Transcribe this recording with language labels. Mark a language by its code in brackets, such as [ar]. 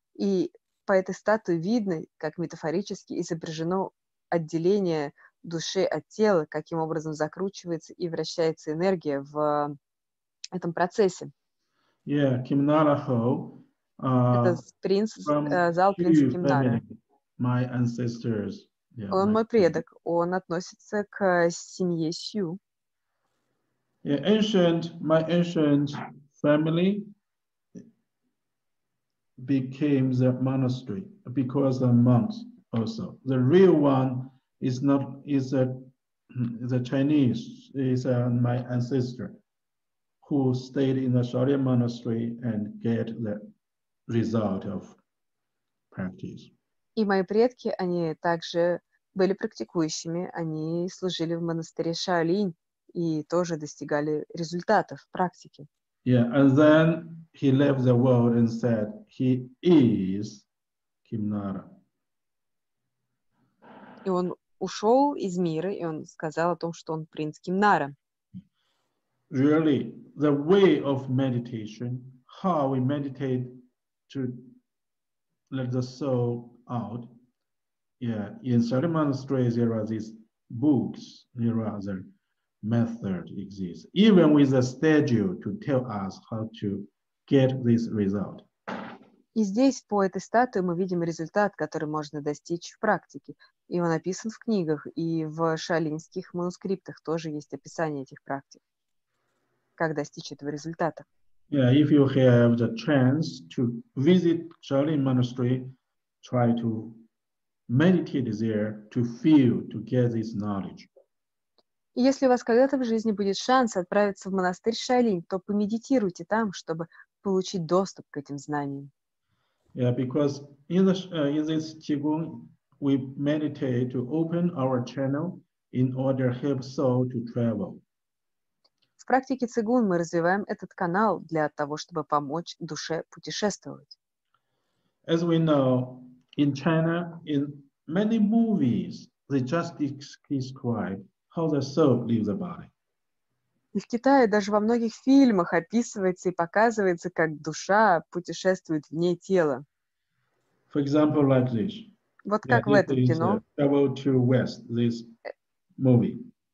[ru] И по этой статуе видно, как метафорически изображено отделение души от тела, каким образом закручивается и вращается энергия в этом процессе. [en] Yeah, Kimnara Ho. [ru] Это принц, зал принца Кимнара. [en] My ancestors. [ru] Yeah, он мой предок. Он относится к семье Сью. [en] Yeah, ancient, my ancient family became the monastery because the monks also. The real one is not is a the Chinese is my ancestor who stayed in the Shaolin monastery and get the result of practice. [ru] И мои предки, они также были практикующими. Они служили в монастыре Шаолин. И тоже достигали результатов в практике. [en] Yeah, and then he left the world and said he is Kimnara. [ru] И он ушел из мира, и он сказал о том, что он принц Кимнара. [en] Really, the way of meditation, how we meditate to let the soul out. Yeah, in Shaolin monastery there are these books, there are other method exists, even with a schedule to tell us how to get this result. [ru] И здесь, по этой статуе, мы видим результат, который можно достичь в практике. И он описан в книгах, и в шаолиньских манускриптах тоже есть описание этих практик. Как достичь этого результата? [en] Yeah, if you have the chance to visit Shaolin monastery, try to meditate there to feel, to get this knowledge. [ru] Если у вас когда-то в жизни будет шанс отправиться в монастырь Шаолин, то помедитируйте там, чтобы получить доступ к этим знаниям. [en] Yeah, because in this qigong we meditate to open our channel in order help soul to travel. [ru] В практике цигун мы развиваем этот канал для того, чтобы помочь душе путешествовать. [en] As we know, in China, in many movies, they just describe how the soul leaves the body. [ru] И в Китае даже во многих фильмах описывается и показывается, как душа путешествует вне тела. [en] For example, like this. [ru] Вот как в этом кино. [en] Travel to West, this movie.